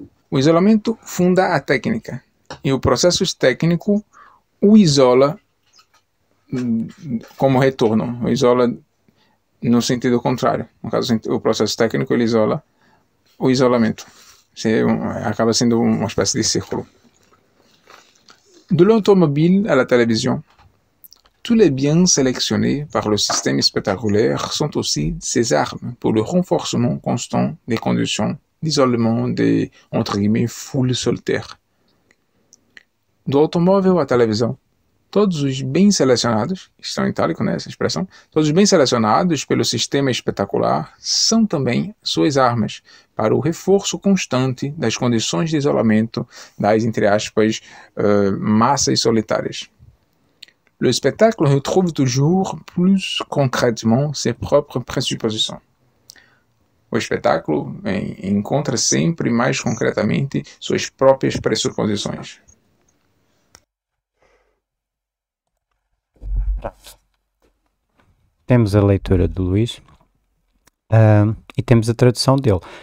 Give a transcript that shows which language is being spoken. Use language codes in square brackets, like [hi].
[pt] O isolamento funda a técnica. E o processo técnico o isola como retorno. O isola no sentido contrário. No caso, o processo técnico ele isola o isolamento. Acaba sendo uma espécie de círculo. [fr] De l'automobile à la télévision, tous les biens sélectionnés par le système spectaculaire sont aussi ses armes pour le renforcement constant des conditions d'isolement des, entre guillemets, foules solitaires. De l'automobile à la télévision, [pt] todos os bens selecionados, estão em itálico, né, essa expressão, todos os bens selecionados pelo sistema espetacular são também suas armas para o reforço constante das condições de isolamento das, entre aspas, massas solitárias. [fr] Le spectacle retrouve toujours plus concrètement ses propres présuppositions. [pt] O espetáculo encontra sempre mais concretamente suas próprias pressuposições. Temos a leitura de Luís e temos a tradução dele.